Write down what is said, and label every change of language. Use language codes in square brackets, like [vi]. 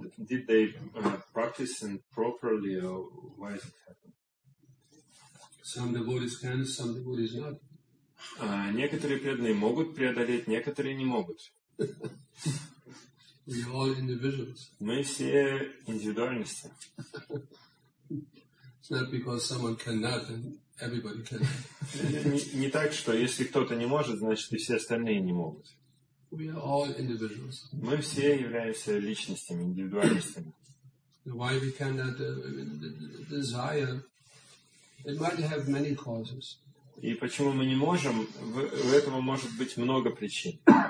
[en] Did they practice them properly or why does it happen? Some devotees can, some devotees not. [ru] Некоторые преданные могут преодолеть, некоторые не могут. [en] We are all individuals. [ru] Мы все индивидуальности. [en] It's not because someone cannot and everybody can. [ru] Не так, что если кто-то не может, значит и все остальные не могут. [en] We are all individuals. [ru] Мы все являемся личностями, индивидуальностями. [en] Why we cannot desire? It might have many causes. [ru] И почему мы не можем, в этом может быть много причин.